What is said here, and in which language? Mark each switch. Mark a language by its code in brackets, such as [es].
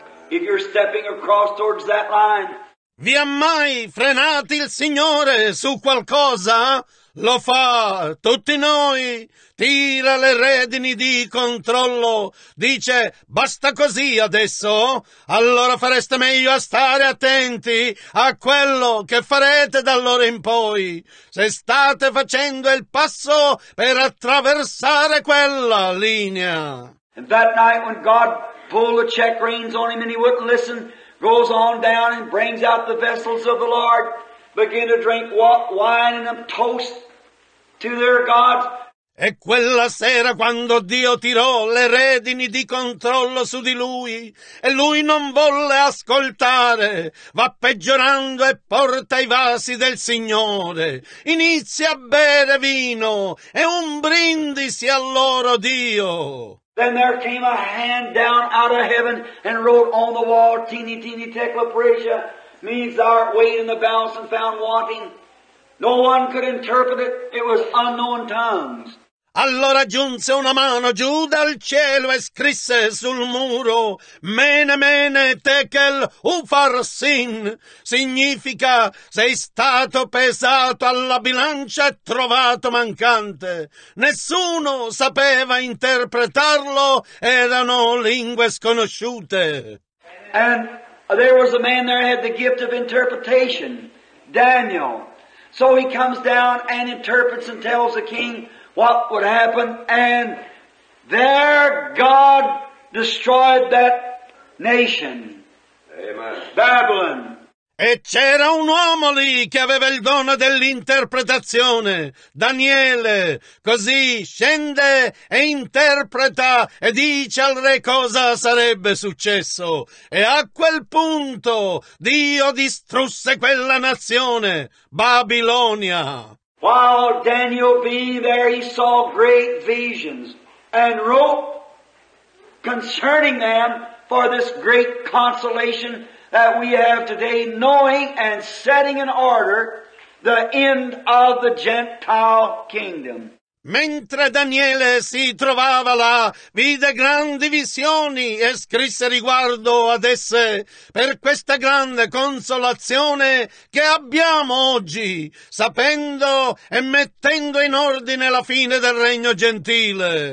[en] If you're stepping across towards that line. [it] Vi ha mai frenati il Signore su qualcosa? Lo fa tutti noi, tira le redini di controllo, dice basta così adesso, allora fareste meglio a stare attenti a quello che farete da allora in poi, se state facendo il passo per attraversare quella linea. [en] And that night when God pulled the check reins on him and he wouldn't listen, goes on down and brings out the vessels of the Lord, begin to drink wine and a toast to their gods. [it] E quella sera quando Dio tirò le redini di controllo su di lui e lui non volle ascoltare, va peggiorando e porta i vasi del Signore, inizia a bere vino e un brindisi al loro Dio. [en] Then there came a hand down out of heaven and wrote on the wall, teeny teeny tecla parisia, means thou art weighed in the balance and found wanting. No one could interpret it, it was unknown tongues. [it] Allora giunse una mano giù dal cielo e scrisse sul muro Mene mene tekel upharsin, significa sei stato pesato alla bilancia e trovato mancante. Nessuno sapeva interpretarlo, erano lingue sconosciute. [en] And there was a man there had the gift of interpretation, Daniel. So he comes down and interprets and tells the king what would happen, and there God destroyed that nation. Amen. Babylon. [it] E c'era un uomo lì che aveva il dono dell'interpretazione, Daniele. Così scende e interpreta e dice al re cosa sarebbe successo. E a quel punto Dio distrusse quella nazione, Babilonia. [en] While Daniel being there, he saw great visions and wrote concerning them for this great consolation that we have today, knowing and setting in order the end of the Gentile kingdom. [it] Mentre Daniele si trovava là, vide grandi visioni e scrisse riguardo ad esse per questa grande consolazione che abbiamo oggi, sapendo e mettendo in ordine la fine del regno gentile.